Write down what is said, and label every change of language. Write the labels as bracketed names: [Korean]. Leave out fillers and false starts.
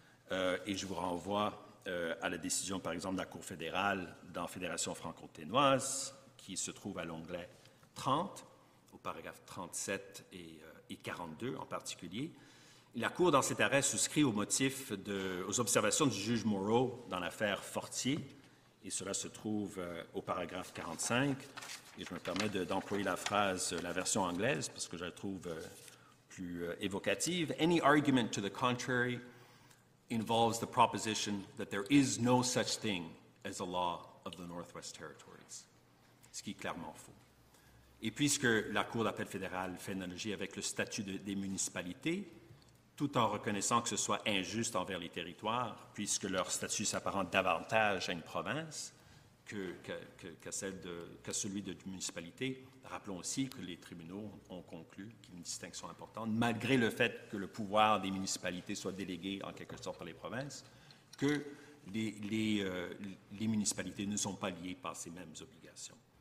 [French] Et je vous renvoie à la décision, par exemple, de la Cour fédérale dans Fédération franco-ténoise, qui se trouve à l'onglet 30, au paragraphe 37 et 42 en particulier. La Cour, dans cet arrêt, souscrit aux observations du juge Moreau dans l'affaire Fortier, et cela se trouve au paragraphe 45. Et je me permets d'employer la phrase, la version anglaise, parce que je la trouve plus évocative. [English] Any argument to the contrary involves the proposition that there is no such thing as a law of the Northwest Territories. [French] Ce qui est clairement faux. Et puisque la Cour d'appel fédérale fait analogie avec le statut des municipalités, tout en reconnaissant que ce soit injuste envers les territoires, puisque leur statut s'apparente davantage à une province qu'à celui de municipalité, rappelons aussi que les tribunaux ont conclu qu'il y a une distinction importante, malgré le fait que le pouvoir des municipalités soit délégué en quelque sorte par les provinces, que les municipalités ne sont pas liées par ces mêmes obligations.